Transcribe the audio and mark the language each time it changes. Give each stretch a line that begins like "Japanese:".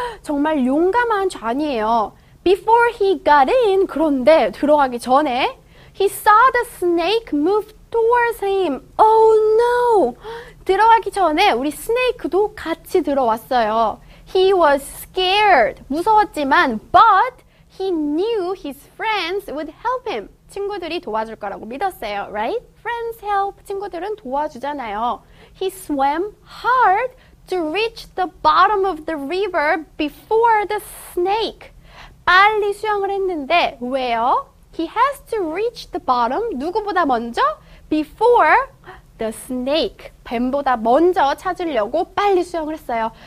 Korean: 정말 용감한 John이에요.
English: Before he got in,
Korean: 그런데 들어가기 전에
English: he saw the snake move towards him. Oh no!
Korean: 들어가기 전에 우리 스네이크도 같이 들어왔어요.
English: He was scared.
Korean: 무서웠지만 but he knew his friends would help him. 친구들이 도와줄 거라고 믿었어요.
English: Right? Friends help.
Korean: 친구들은 도와주잖아요.
English: He swam hard to reach the bottom of the river before the snake.
Korean: 빨리 수영을 했는데 왜요?
English: He has to reach the bottom.
Korean: 누구보다 먼저?
English: Before the snake.
Korean: 뱀보다 먼저 찾으려고 빨리 수영을 했어요.